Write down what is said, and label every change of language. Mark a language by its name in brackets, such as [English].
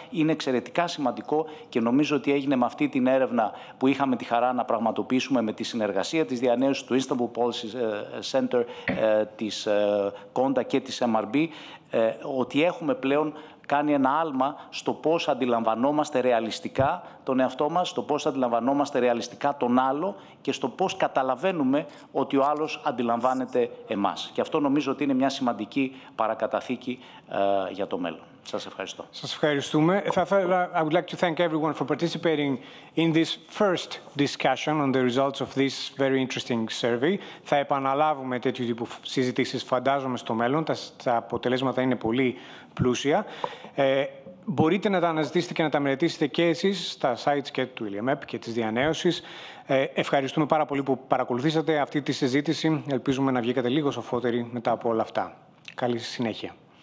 [Greek] Είναι εξαιρετικά σημαντικό και νομίζω ότι έγινε με αυτή την έρευνα που είχαμε τη χαρά να πραγματοποιήσουμε με τη συνεργασία της διανέωσης του Istanbul Policy Center, της Κόντα και της MRB, ότι έχουμε πλέον κάνει ένα άλμα στο πώς αντιλαμβανόμαστε ρεαλιστικά τον εαυτό μας, στο πώς αντιλαμβανόμαστε ρεαλιστικά τον άλλο και στο πώς καταλαβαίνουμε ότι ο άλλος αντιλαμβάνεται εμάς. Και αυτό νομίζω ότι είναι μια σημαντική παρακαταθήκη για το μέλλον. Σας ευχαριστώ. Σας ευχαριστούμε. [English] I would like to thank everyone for participating in this first discussion on the results of this very interesting survey. [Greek] Θα επαναλάβουμε τέτοιου τύπου συζητήσεις, φαντάζομαι, στο μέλλον. Τα αποτελέσματα είναι πολύ πλούσια. Μπορείτε να τα αναζητήσετε και να τα μελετήσετε και εσείς στα sites και του ELIAMEP και της διαNEOsis. Ευχαριστούμε πάρα πολύ που παρακολουθήσατε αυτή τη συζήτηση. Ελπίζουμε να βγήκατε λίγο σοφότεροι μετά από όλα αυτά. Καλή συνέχεια.